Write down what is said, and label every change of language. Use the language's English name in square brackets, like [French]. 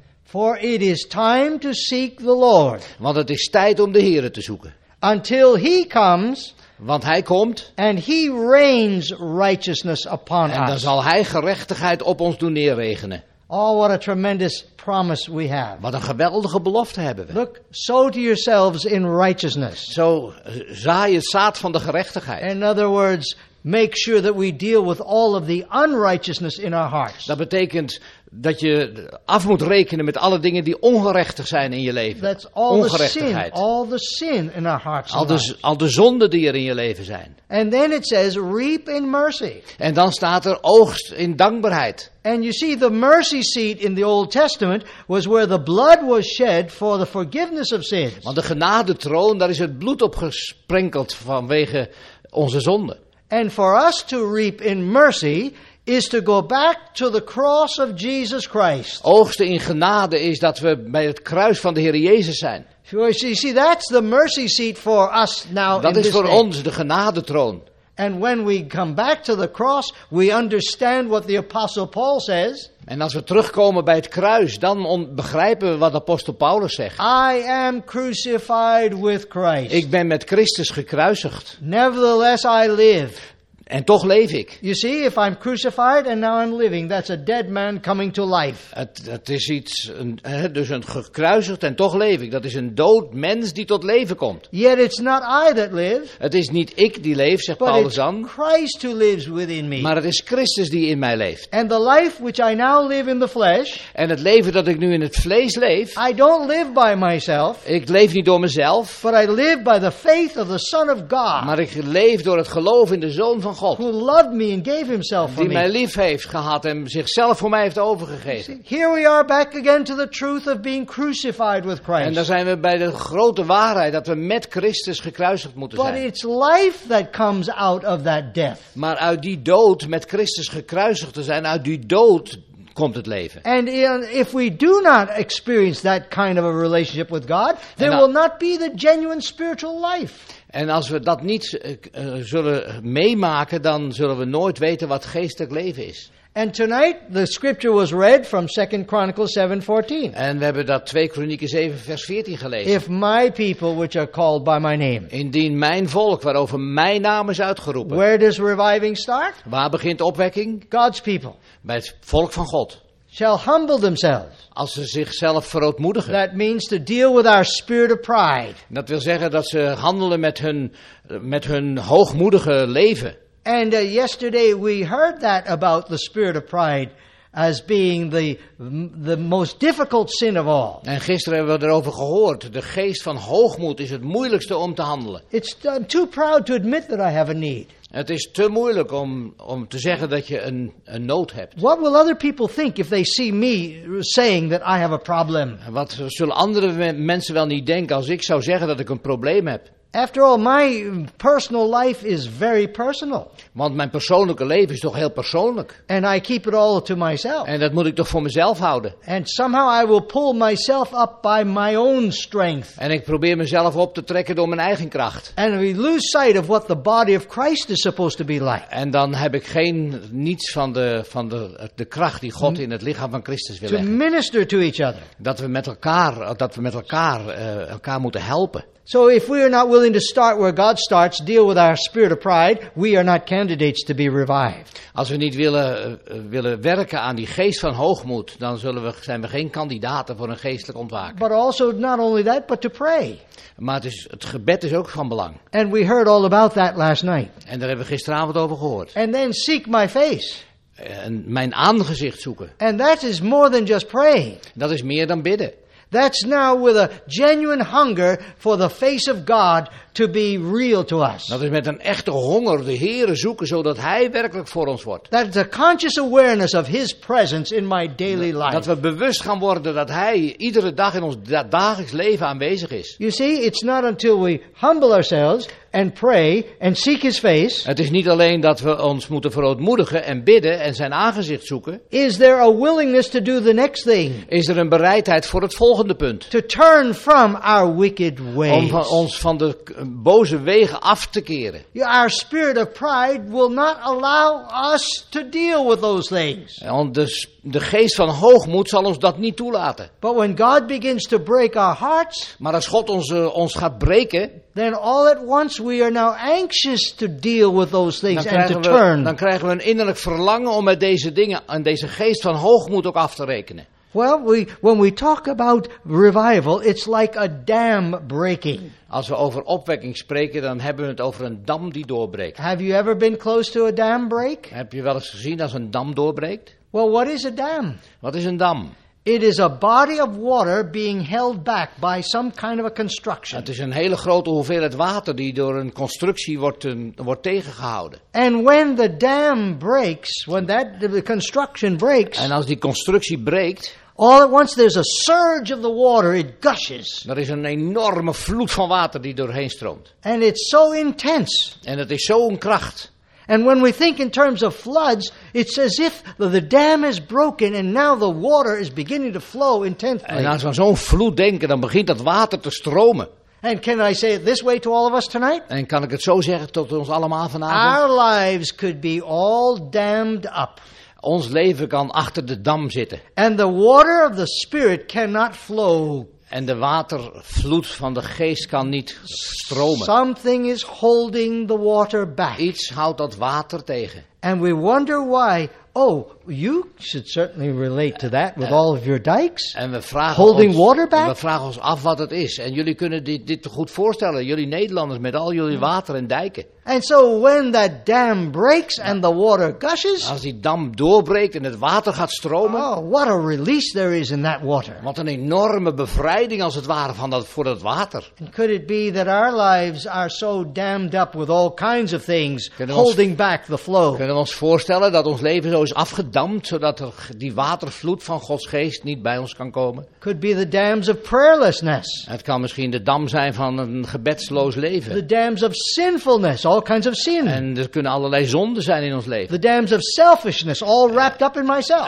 [English] For it is time to seek the Lord. [Dutch] Want het is tijd om de Heere te zoeken. [English] Until he comes. [Dutch] Want hij komt. [English] And he rains righteousness upon [Dutch] us. En dan zal hij gerechtigheid op ons doen neerregenen. [English] Oh, what a tremendous promise we have. [Dutch] Wat een geweldige belofte hebben we. [English] Look, sow to yourselves in righteousness. [Dutch] Zo zaai het zaad van de gerechtigheid. [English] In other words, make sure that we deal with all of the unrighteousness in our hearts. [Dutch] Dat betekent dat je af moet rekenen met alle dingen die ongerechtig zijn in je leven. [English] That's all ongerechtigheid. The sin, all the sin in our hearts. [Dutch] Al de zonden die er in je leven zijn. [English] And then it says, reap in mercy. [Dutch] En dan staat er oogst in dankbaarheid. [English] And you see, the mercy seat in the Old Testament was where the blood was shed for the forgiveness of sins. [Dutch] Want de genadetroon, daar is het bloed op gesprenkeld vanwege onze zonden. [English] And for us to reap in mercy is to go back to the cross of Jesus Christ. [Dutch] Oogsten in genade is dat we bij het kruis van de Heer Jezus zijn. [English] You see, that's the mercy seat for us now. [Dutch] Dat is voor ons de genadetroon. [English] And when we come back to the cross, we understand what the Apostle Paul says. [Dutch] En als we terugkomen bij het kruis, dan begrijpen we wat apostel Paulus zegt. [English] I am crucified with Christ. [Dutch] Ik ben met Christus gekruisigd. [English] Nevertheless, I live. [Dutch] En toch leef ik. [English] You see, if I'm crucified and now I'm living, that's a dead man coming to life. [Dutch] Het is iets, dus een gekruisigd en toch leef ik. Dat is een dood mens die tot leven komt. [English] Yet it's not I that live. [Dutch] Het is niet ik die leef, zegt [English] but [Dutch] Paulus [English] it's [Dutch] dan. [English] Christ who lives within me. [Dutch] Maar het is Christus die in mij leeft. [English] And the life which I now live in the flesh. [Dutch] En het leven dat ik nu in het vlees leef. [English] I don't live by myself. [Dutch] Ik leef niet door mezelf. [English] But I live by the faith of the Son of God. [Dutch] Maar ik leef door het geloof in de Zoon van God. [English] Who loved me and gave himself for [Dutch] die [English] me. [Dutch] Mij lief heeft gehad en zichzelf voor mij heeft overgegeven. [English] See, here we are back again to the truth of being crucified with Christ. [Dutch] En daar zijn we bij de grote waarheid dat we met Christus gekruisigd moeten [English] but [Dutch] zijn. [English] But it's life that comes out of that death. [Dutch] Maar uit die dood met Christus gekruisigd te zijn, uit die dood komt het leven. [English] And if we do not experience that kind of a relationship with God, there will not be the genuine spiritual life. [Dutch] En als we dat niet zullen meemaken, dan zullen we nooit weten wat geestelijk leven is. [English] And tonight the scripture was read from 2 Chronicles 7:14. [Dutch] En we hebben dat 2 Kronieken 7 vers 14 gelezen. [English] If my people which are called by my name. [Dutch] Indien mijn volk waarover mijn naam is uitgeroepen. [English] Where does reviving start? [Dutch] Waar begint opwekking? [English] God's people. [Dutch] Bij het volk van God. [English] Shall humble themselves. [Dutch] Als ze zichzelf verootmoedigen. [English] That means to deal with our spirit of pride. [Dutch] Dat wil zeggen dat ze handelen met hun hoogmoedige leven. [English] And yesterday we heard that about the spirit of pride as being the most difficult sin of all. [Dutch] En gisteren hebben we erover gehoord. De geest van hoogmoed is het moeilijkste om te handelen. [English] It's too proud to admit that I have a need. [Dutch] Het is te moeilijk om te zeggen dat je een nood hebt. [English] What will other people think if they see me saying that I have a problem? [Dutch] Wat zullen andere mensen wel niet denken als ik zou zeggen dat ik een probleem heb? [English] After all, my personal life is very personal. [Dutch] Want mijn persoonlijke leven is toch heel persoonlijk. [English] And I keep it all to myself. [Dutch] En dat moet ik toch voor mezelf houden. [English] And somehow I will pull myself up by my own strength. [Dutch] En ik probeer mezelf op te trekken door mijn eigen kracht. [English] And we lose sight of what the body of Christ is supposed to be like. [Dutch] En dan heb ik niets van de kracht die God in het lichaam van Christus wil [English] to [Dutch] leggen. [English] To minister to each other. [Dutch] Dat we met elkaar elkaar moeten helpen. [English] So if we are not willing to start where God starts, deal with our spirit of pride, we are not candidates to be revived. [Dutch] Als we niet willen werken aan die geest van hoogmoed, dan zijn we geen kandidaten voor een geestelijk ontwaken. [English] But also not only that, but to pray. [Dutch] Maar het gebed is ook van belang. [English] And we heard all about that last night. [Dutch] En daar hebben we gisteravond over gehoord. [English] And then seek my face. [Dutch] En mijn aangezicht zoeken. [English] And that is more than just praying. [Dutch] Dat is meer dan bidden. [English] That's now with a genuine hunger for the face of God to be real to us. [Dutch] Dat is met een echte honger de Heere zoeken zodat Hij werkelijk voor ons wordt. [English] That is a conscious awareness of His presence in my daily life. [Dutch] Dat we bewust gaan worden dat Hij iedere dag in ons dagelijks leven aanwezig is. [English] You see, it's not until we humble ourselves and pray and seek His face. [Dutch] Het is niet alleen dat we ons moeten verootmoedigen en bidden en zijn aangezicht zoeken. [English] Is there a willingness to do the next thing? [Dutch] Is er een bereidheid voor het volgende punt? [English] To turn from our wicked ways. [Dutch] Om ons van de boze wegen af te keren. [English] Our spirit of pride will not allow us to deal with those things. [Dutch] De geest van hoogmoed zal ons dat niet toelaten. [English] But when God begins to break our hearts, [Dutch] maar als God ons gaat breken, [English] then all at once we are now anxious to deal with those things and to turn. [Dutch] Dan krijgen we een innerlijk verlangen om met deze dingen en deze geest van hoogmoed ook af te rekenen. [English] Well, when we talk about revival, it's like a dam breaking. [Dutch] Als we over opwekking spreken, dan hebben we het over een dam die doorbreekt. [English] Have you ever been close to a dam break? [Dutch] Heb je wel eens gezien als een dam doorbreekt? [English] Well, what is a dam? [Dutch] Wat is een dam? [English] It is a body of water being held back by some kind of a construction. [Dutch] Het is een hele grote hoeveelheid water die door een constructie wordt tegengehouden. [English] And when the dam breaks, when that the construction breaks. [Dutch] En als die constructie breekt, [English] all at once there's a surge of the water, it gushes. [Dutch] Er is een enorme vloed van water die doorheen stroomt. [English] And it's so intense. [Dutch] En het is zo'n kracht. [English] And when we think in terms of floods, it's as if the dam is broken and now the water is beginning to flow intensely. [Dutch] En als we aan zo'n vloed denken, dan begint dat water te stromen. [English] And can I say it this way to all of us tonight? [Dutch] En kan ik het zo zeggen tot ons allemaal vanavond? [English] Our lives could be all dammed up. [Dutch] Ons leven kan achter de dam zitten. [English] And the water of the Spirit cannot flow [Dutch] En de watervloed van de geest kan niet stromen. [English] Something is holding the water back. [Dutch] Iets houdt dat water tegen. [English] And we wonder why. Oh, you should certainly relate to that with all of your dikes. [Dutch] En we vragen [English] holding [Dutch] ons, [English] water back. [Dutch] We vragen ons af wat het is. En jullie kunnen dit goed voorstellen, jullie Nederlanders met al jullie water en dijken. [English] And so when that dam breaks and the water gushes. [Dutch] Als die dam doorbreekt en het water gaat stromen. [English] Oh, what a release there is in that water. [Dutch] Wat een enorme bevrijding als het ware van dat voor dat water. [English] And could it be that our lives are so dammed up with all kinds of things holding back the flow? [Dutch] Kunnen we ons voorstellen dat ons leven zo is afgedamd zodat er die watervloed van Gods geest niet bij ons kan komen? [English] Could be the dams of prayerlessness. [Dutch] Het kan misschien de dam zijn van een gebedsloos leven. [English] The dams of sinfulness. All kinds of sin. [Dutch] En er kunnen allerlei zonden zijn in ons leven. [English] The dams of selfishness, all wrapped up in myself.